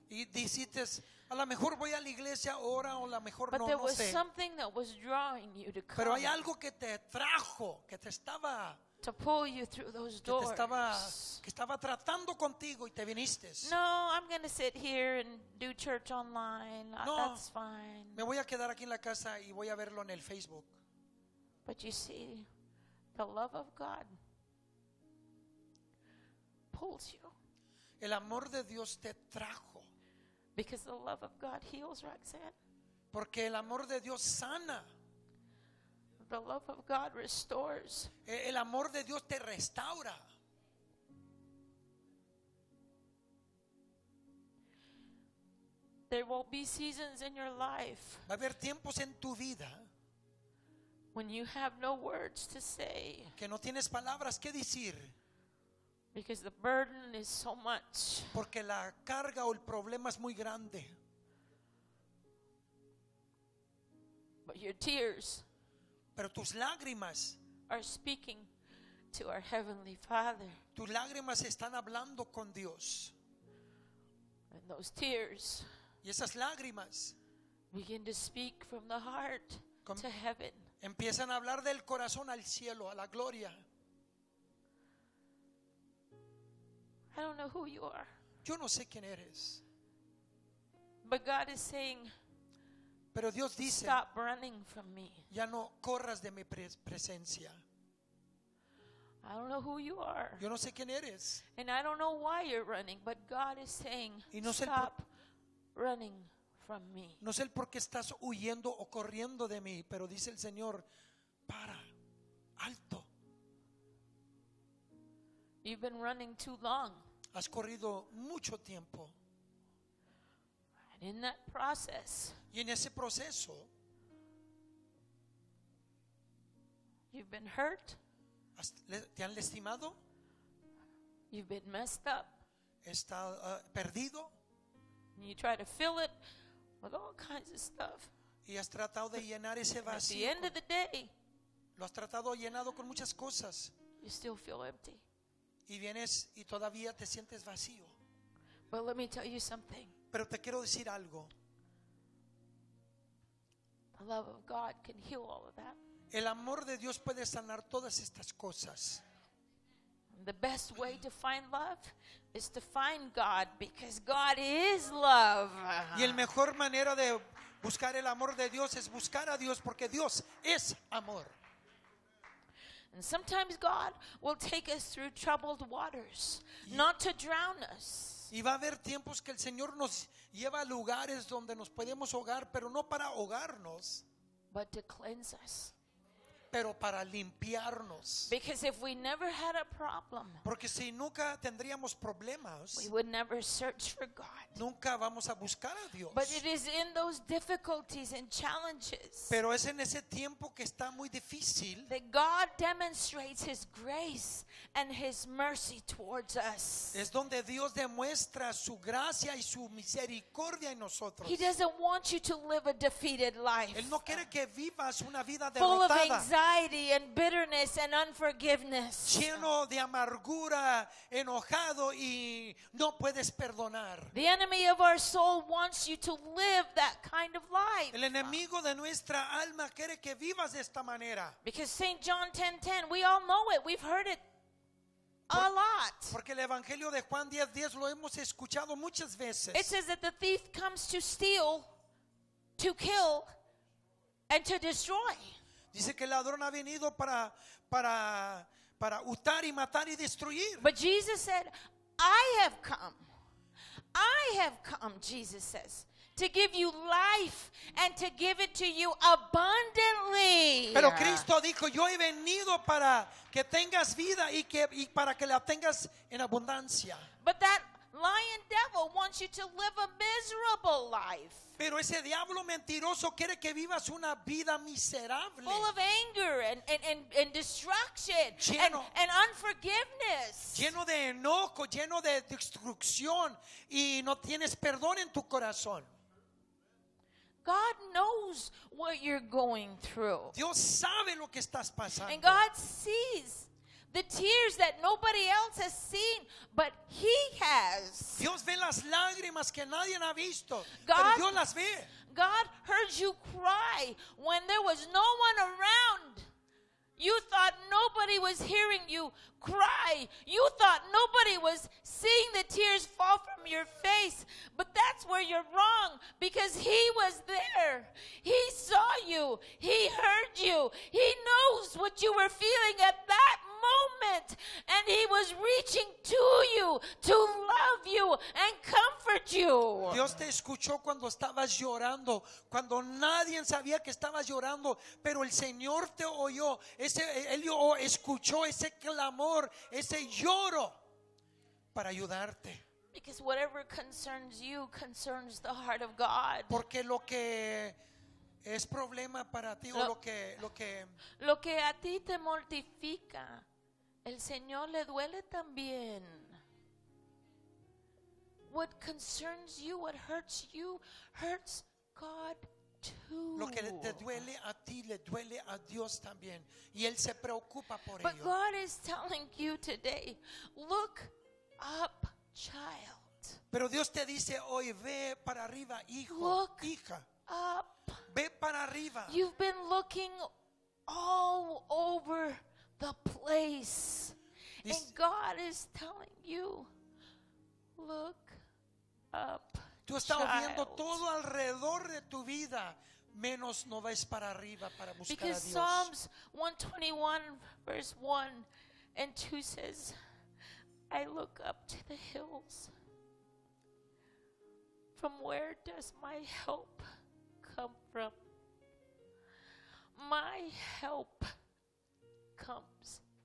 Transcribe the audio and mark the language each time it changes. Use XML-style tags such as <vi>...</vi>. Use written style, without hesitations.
<es>Y dijiste, a lo mejor voy a la iglesia ahora o a lo mejor no, no sé.</es> <en>But there was something that was drawing you to come.</en> <es>Pero hay algo que te trajo, que te estaba</es> <en>to pull you through those doors.</en> <es>Que estaba tratando contigo y te viniste.</es> <en>No, I'm going to sit here and do church online. No, that's fine.</en> <es>Me voy a quedar aquí en la casa y voy a verlo en el Facebook.</es> <en>But you see, the love of God pulls you.</en> <es>El amor de Dios te trajo.</es> <en>Because the love of God heals, Roxanne.</en> <es>Porque el amor de Dios sana.</es> <en>The love of God restores.</en> <es>El amor de Dios te restaura.</es> <en>There will be seasons in your life.</en> <es>Va a haber tiempos en tu vida.</es> <en>When you have no words to say.</en> <es>Que no tienes palabras que decir.</es> <en>Because the burden is so much.</en> <es>Porque la carga o el problema es muy grande.</es> <en>But your tears.</en> <es>Pero tus lágrimas.</es> <en>Are speaking to our heavenly Father.</en> <es>Tus lágrimas están hablando con Dios.</es> <en>And those tears.</en> <es>Y esas lágrimas.</es> <en>Begin to speak from the heart to heaven.</en> <es>Empiezan a hablar del corazón al cielo, a la gloria.</es> <en>I don't know who you are.</en> <es>Yo no sé quién eres.</es> <en>But God is saying,</en> <es>pero Dios dice,</es> <en>stop running from me.</en> <es>Ya no corras de mi presencia.</es> <en>I don't know who you are.</en> <es>Yo no sé quién eres.</es> <en>And I don't know why you're running, but God is saying,</en> <es>no sé</es> <en>stop running from me.</en> <es>No sé el por qué estás huyendo o corriendo de mí, pero dice el Señor, para, alto.</es> <en>You've been running too long.</en> <es>Has corrido mucho tiempo.</es> <en>And in that process.</en> <es>Y en ese proceso.</es> <en>You've been hurt.</en> <es>Te han lastimado.</es> <en>You've been messed up.</en> <es>Estás perdido.</es> <en>And you try to fill it with all kinds of stuff.</en> <es>Y has tratado de llenar ese vacío.</es> <en>At the end of the day.</en> <es>Lo has tratado llenado con muchas cosas.</es> <en>You still feel empty.</en> <es>Y vienes y todavía te sientes vacío.</es> <en>But let me tell you something.</en> <es>Pero te quiero decir algo.</es> <en>The love of God can heal all of that.</en> <es>El amor de Dios puede sanar todas estas cosas.</es> <en>The best way to find love is to find God, because God is love.</en> <es>Y el mejor manera de buscar el amor de Dios es buscar a Dios, porque Dios es amor.</es> <en>And sometimes God will take us through troubled waters, not to drown us.</en> <es>Y va a haber tiempos que el Señor nos lleva a lugares donde nos podemos ahogar, pero no para ahogarnos.</es> <en>But to cleanse us.</en> <es>pero para limpiarnos.</es> <en>Because if we never had a problem,</en> <es>porque si nunca tendríamos problemas,</es> <en>we would never search for God.</en> <es>Nunca vamos a buscar a Dios.</es> <en>But it is in those difficulties and challenges,</en> <es>pero es en ese tiempo que está muy difícil,</es> <en>that God demonstrates His grace and His mercy towards us.</en> <es>Es donde Dios demuestra su gracia y su misericordia en nosotros.</es> <en>He doesn't want you to live a defeated life.</en> <es>Él no quiere que vivas una vida derrotada.</es> <en>Full of anxiety and bitterness and unforgiveness.</en> <es>Lleno de amargura, enojado y no puedes perdonar.</es> <en>The enemy of our soul wants you to live that kind of life.</en> <es>El enemigo de nuestra alma quiere que vivas de esta manera.</es> <en>Because St. John 10:10, we all know it. We've heard it a lot.</en> <es>Porque el evangelio de Juan 10:10 lo hemos escuchado muchas veces.</es> <en>It says that the thief comes to steal, to kill, and to destroy.</en> <es>Dice que el ladrón ha venido para hurtar y matar y destruir.</es> <en>But Jesus said, I have come. I have come, Jesus says, to give you life and to give it to you abundantly.</en> <es>Pero Cristo dijo, yo he venido para que tengas vida y para que la tengas en abundancia.</es> <en>But that lying devil wants you to live a miserable life.</en> <es>Pero ese diablo mentiroso quiere que vivas una vida miserable.</es> <en>Full of anger and destruction,</en> <es>lleno,</es> <en>and unforgiveness.</en> <es>Lleno de enojo, lleno de destrucción y no tienes perdón en tu corazón.</es> <en>God knows what you're going through.</en> <es>Dios sabe lo que estás pasando.</es> <en>And God sees the tears that nobody else has seen, but He has.</en> <es>Dios ve las lágrimas que nadie ha visto,</es> <en>God,</en> <es>pero Dios las ve.</es> <en>God heard you cry when there was no one around. You thought nobody was hearing you cry. You thought nobody was seeing the tears fall from your face. But that's where you're wrong, because He was there. He saw you. He heard you. He knows what you were feeling at that moment, and He was reaching to you to love you and comfort you.</en> <es>Dios te escuchó cuando estabas llorando, cuando nadie sabía que estabas llorando, pero el Señor te oyó. Él escuchó ese clamor, ese lloro, para ayudarte.</es> <en>Because whatever concerns you concerns the heart of God.</en> <es>Porque lo que es problema para ti, o lo que a ti te mortifica, el Señor le duele también.</es> <en>What concerns you, what hurts you, hurts God too.</en> <es>Lo que te duele a ti le duele a Dios también, y Él se preocupa por ello.</es> <en>But God is telling you today, look up, child.</en> <es>Pero Dios te dice hoy, ve para arriba, hijo,</es> <en>look,</en> <es>hija.</es> <en>Up.</en> <es>Ve para arriba.</es> <en>You've been looking all over the place. And God is telling you, look up.</en> <es>Tú estás viendo todo alrededor de tu vida, menos no ves para arriba para buscar a Dios.</es> <en>Because Psalms 121 verse 1 and 2 says, I look up to the hills. From where does my help come from? My help comes.</en>